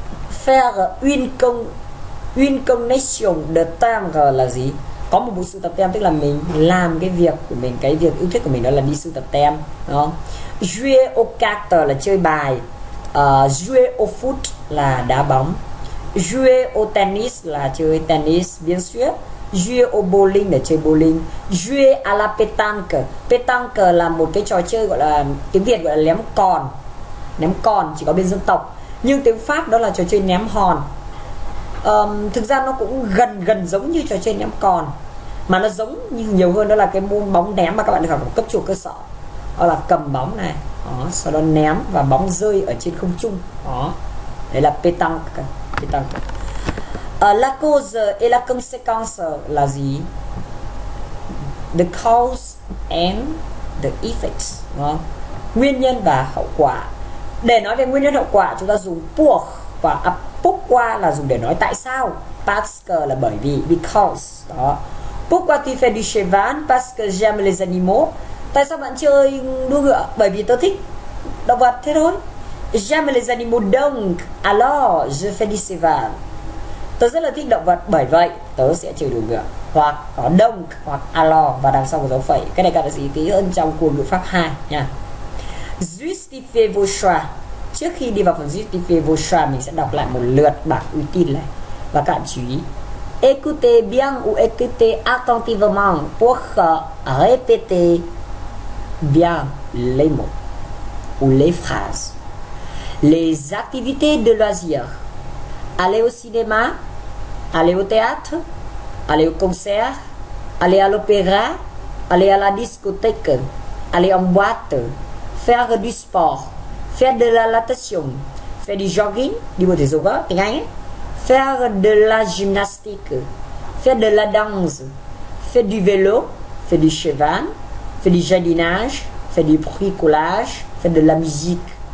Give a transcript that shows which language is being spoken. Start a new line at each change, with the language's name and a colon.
French: Faire une connexion de temps
Vietnamese: là gì? Có một bộ sưu tập tem, tức là mình làm cái việc của mình, cái việc yêu thích của mình đó là đi sưu tập tem, đúng không?
French: Jouer aux cartes
Vietnamese: là chơi bài.
French: Jouer au foot
Vietnamese: là đá bóng.
French: Jouer au tennis
Vietnamese: là chơi tennis,
French: bien sûr. Jouer au bowling
Vietnamese: là chơi bowling.
French: Jouer à la pétanque.
Vietnamese: Pétanque là một cái trò chơi gọi là tiếng Việt gọi là ném còn. Ném còn chỉ có bên dân tộc. Nhưng tiếng Pháp đó là trò chơi ném hòn. Thực ra nó cũng gần gần giống như trò chơi ném còn. Mà nó giống như nhiều hơn đó là cái môn bóng ném mà các bạn được học ở cấp trung cơ sở. Đó là cầm bóng này. Đó, sau đó ném và bóng rơi ở trên không trung. Đó. Đấy là pétanque.
French: La cause et la conséquence
Vietnamese: là gì?
English: The cause and the effects,
Vietnamese: đúng không? Nguyên nhân và hậu quả. Để nói về nguyên nhân hậu quả, chúng ta dùng
French: pour
Vietnamese: và
French: pourquoi
Vietnamese: là dùng để nói tại sao.
French: Parce
Vietnamese: là bởi vì,
French: because đó. Pourquoi tu fais du cheval? Parce que j'aime les animaux.
Vietnamese: Tại sao bạn chơi đua ngựa? Bởi vì tôi thích động vật thế thôi.
French: J'aime les animaux donc, alors je fais du cheval.
Vietnamese: Tớ rất là thích động vật, bởi vậy tớ sẽ chơi đua ngựa. Hoặc có
French: donc
Vietnamese: hoặc
French: alors
Vietnamese: và đằng sau có dấu phẩy. Cái này các bạn sẽ ký hơn trong cuốn ngữ pháp 2 nha.
French: Justifiez vos choix.
Vietnamese: Trước khi đi vào phần
French: justifiez vos choix,
Vietnamese: mình sẽ đọc lại một lượt bảng uy tín này. Và các bạn chú ý.
French: Écoutez bien ou écoutez attentivement pour répéter bien les mots ou les phrases. Les activités de loisirs. Aller au cinéma, aller au théâtre, aller au concert, aller à l'opéra, aller à la discothèque, aller en boîte, faire du sport, faire de la natation, faire du jogging, du mot des yoga,
Vietnamese: tiếng Anh,
French: faire de la gymnastique, faire de la danse, faire du vélo, faire du cheval, faire du jardinage, faire du bricolage, faire de la musique.